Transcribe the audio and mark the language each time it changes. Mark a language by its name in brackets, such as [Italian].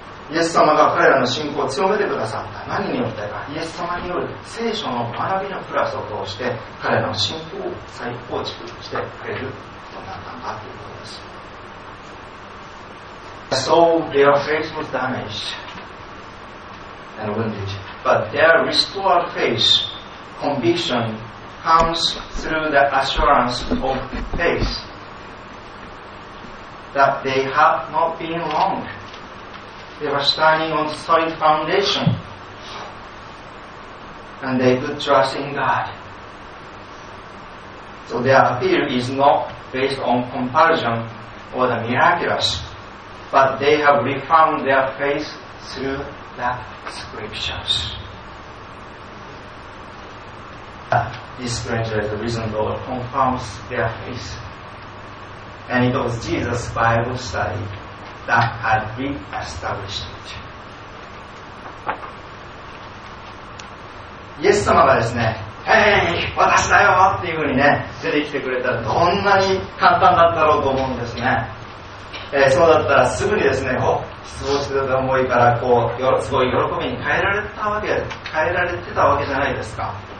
[Japanese] イエス様が彼らの信仰を強めてくださった。何によってか、イエス様による聖書の学びのプラスを通して彼らの信仰を再構築してくれることになったんだということです。 [English] So their faith was damaged and wounded, but their restored faith conviction comes through the assurance of faith that they have not been wrong They were standing on solid foundation. And they could trust in God. So their appeal is not based on comparison or the miraculous, but they have reaffirmed their faith through the scriptures. This stranger is the reason God confirms their faith. And it was Jesus' Bible study that had re-established it. [Japanese] イエス様がですね、ヘイ、私だよっていうふうにね、出てきてくれたらどんなに簡単だったろうと思うんですね。そうだったらすぐにですね、お、失望してた思いからこう、すごい喜びに変えられたわけ、変えられてたわけじゃないですか。